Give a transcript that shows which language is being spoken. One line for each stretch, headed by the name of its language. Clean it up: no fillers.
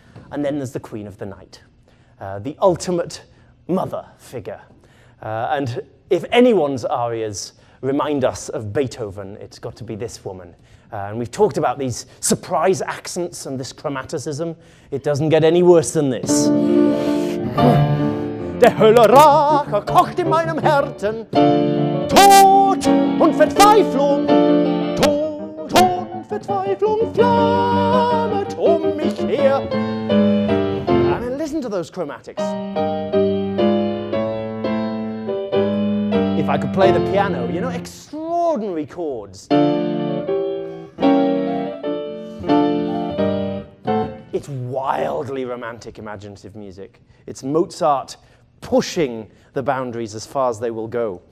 English: And then there's the Queen of the Night, the ultimate mother figure. And if anyone's arias remind us of Beethoven, it's got to be this woman. And we've talked about these surprise accents and this chromaticism. It doesn't get any worse than this.
German: Der Hölle Rache kocht in meinem Herzen. Tod und Verzweiflung, Tod und Verzweiflung flammet um mich her.
English: And then listen to those chromatics. If I could play the piano, you know, extraordinary chords. It's wildly romantic, imaginative music. It's Mozart pushing the boundaries as far as they will go.